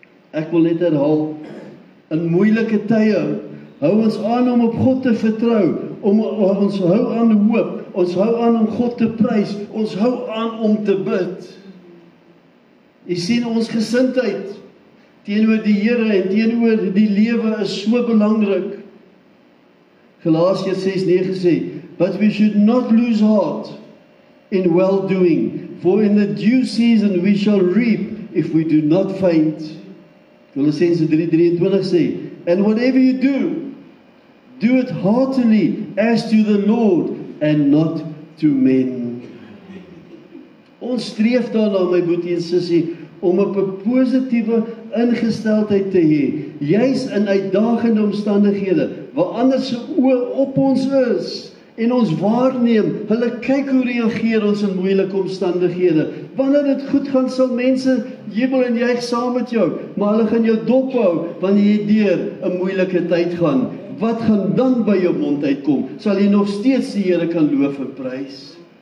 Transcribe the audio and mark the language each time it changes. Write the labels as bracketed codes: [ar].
[af] Ek wil net herhaal, in moeilike tye, hou ons aan om op God te vertrou, om ons hou aan hoop, ons hou aan om God te prys, ons hou aan om te bid. Jy sien ons gesindheid, teenoor die Here en teenoor die lewe is so belangrik. Galasiërs 6:9 sê, [en] but we should not lose heart in well-doing, for in the due season we shall reap if we do not faint. [af] Galasiërs 3:23 sê, [en] and whatever you do, do it heartily as to the Lord and not to men. [af] Ons streef daarna, my boetie en sussie, om op 'n positiewe ingesteldheid te hê, juis in uitdagende omstandighede, waar ander se oë op ons is, en ons waarneem, hulle kyk hoe reageer ons in moeilike omstandighede, wanneer dit goed gaan, sal mense jubel en juig saam met jou, maar hulle gaan jou dop hou, wanneer jy deur 'n moeilike tyd gaan, wat gaan dan by jou mond uitkom, sal jy nog steeds die Here kan loof en prys.